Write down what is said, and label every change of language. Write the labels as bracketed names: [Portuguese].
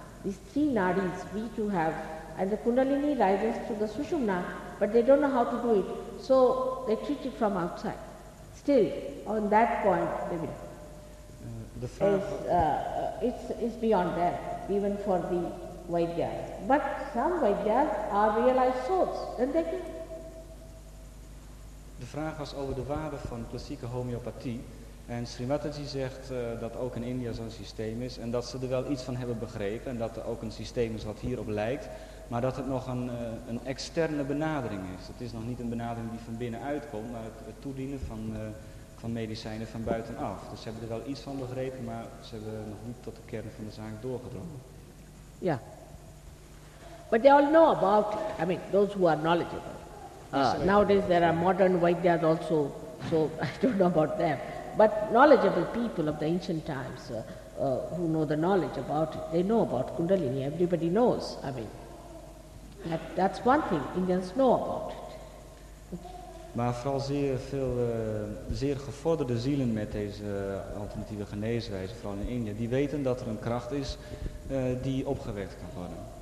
[English] These 3 nadis we too have, and the Kundalini rises through the Sushumna, but they don't know how to do it, so they treat it from outside. Still, on that point, they will. It's beyond that, even for the Vaidyas. But some Vaidyas are realized souls, and they can. [Dutch] De vraag was over de waarde van klassieke homeopathie. En Sri Mataji zegt dat ook in India zo'n systeem is en dat ze er wel iets van hebben begrepen en dat er ook een systeem is wat hierop lijkt, maar dat het nog een externe benadering is. Het is nog niet een benadering die van binnenuit komt, maar het toedienen van medicijnen van buitenaf. Dus ze hebben er wel iets van begrepen, maar ze hebben nog niet tot de kern van de zaak doorgedrongen. Ja. [English] But they all know about it. I mean, those who are knowledgeable. Nowadays there are modern Vaidyas also, so I don't know about them. But knowledgeable people of the ancient times who know the knowledge about it, they know about Kundalini. Everybody knows. I mean, that's one thing Indians know about it. [Dutch] Maar vooral zeer veel zeer gevorderde zielen met deze alternatieve geneeswijze, vooral in India, die weten dat er een kracht is die opgewekt kan worden.